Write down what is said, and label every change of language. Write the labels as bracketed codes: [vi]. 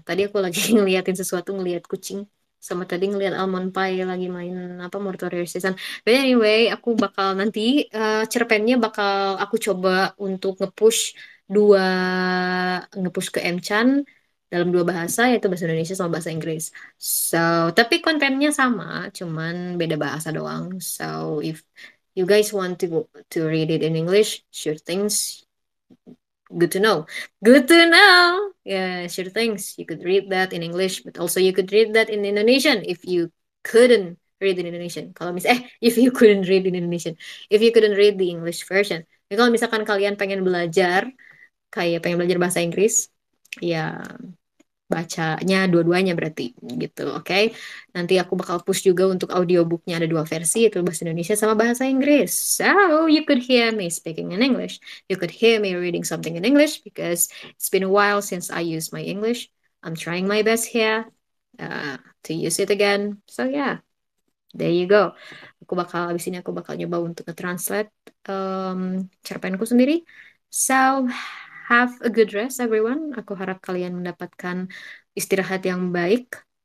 [id] Tadi aku lagi ngeliatin sesuatu, ngeliat kucing. Sama tadi ngeliat Almond Pie lagi main apa Mortuary Season. [en] But anyway, [id] aku bakal nanti cerpennya bakal aku coba untuk nge-push dua, nge-push ke M-chan dalam dua bahasa, yaitu bahasa Indonesia sama bahasa Inggris. So, tapi kontennya sama, cuman beda bahasa doang. [en] So, if you guys want to read it in English, sure things, good to know. Good to know! Yeah, sure things. You could read that in English, but also you could read that in Indonesian if you couldn't read in Indonesian. [id] Kalau misalnya, [en] if you couldn't read in Indonesian. If you couldn't read the English version. [id] Jadi kalau misalkan kalian pengen belajar, kayak pengen belajar bahasa Inggris, ya bacanya dua-duanya berarti gitu, oke? Okay? Nanti aku bakal push juga untuk audiobooknya ada dua versi, yaitu bahasa Indonesia sama bahasa Inggris. [en] So you could hear me speaking in English, you could hear me reading something in English because it's been a while since I use my English. I'm trying my best here to use it again. So yeah, there you go. [id] Aku bakal abis ini aku bakal nyoba untuk nge-translate cerpenku sendiri. [en] So have a good rest, everyone. [id] Aku harap kalian mendapatkan istirahat yang baik.